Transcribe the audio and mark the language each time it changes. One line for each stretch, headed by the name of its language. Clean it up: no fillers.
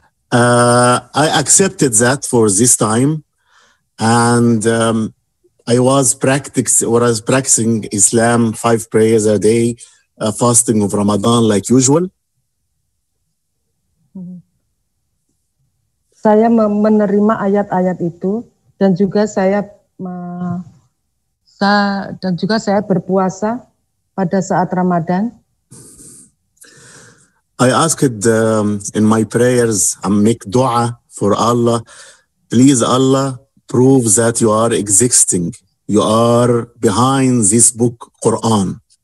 English: I accepted that for this time and I was practicing Islam, 5 prayers a day, fasting of Ramadan like usual.
Indonesian: Saya menerima ayat-ayat itu dan juga saya berpuasa pada saat Ramadan.
English: I asked in my prayers, I make dua for Allah, please Allah, prove that you are existing, you are behind this book Quran.